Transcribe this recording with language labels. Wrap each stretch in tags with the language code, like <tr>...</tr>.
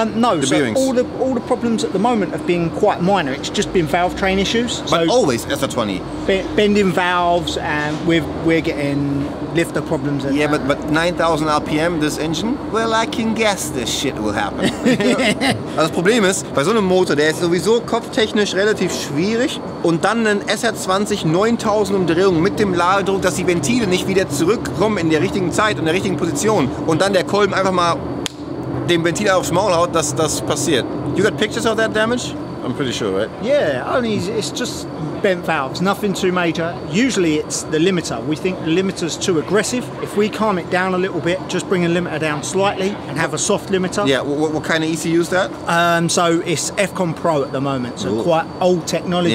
<en>No, the so bearings. All the problems at the moment have been quite minor. It's just been valve train issues. But so always SR20. Bending valves, and we're getting lifter problems. Yeah, that. but 9,000 RPM, this engine? Well, I can guess this shit will happen.</en> <de>Das Problem ist, bei so einem Motor, der ist sowieso kopftechnisch relativ schwierig, und dann ein SR20 9000 Umdrehungen mit dem Ladedruck, dass die Ventile nicht wieder zurückkommen in der richtigen Zeit, in der richtigen Position, und dann der Kolben einfach mal dem Ventil aufs Maul haut, dass das passiert.</de> <en>You got pictures of that damage? I'm pretty sure, right? Yeah, only it's just bent valves, nothing too major. Usually it's the limiter. We think the limiter's too aggressive. If we calm it down a little bit, just bring a limiter down slightly and have a soft limiter. Yeah, what kind of ECU is that? So it's F-Con Pro at the moment, so quite old technology.</en>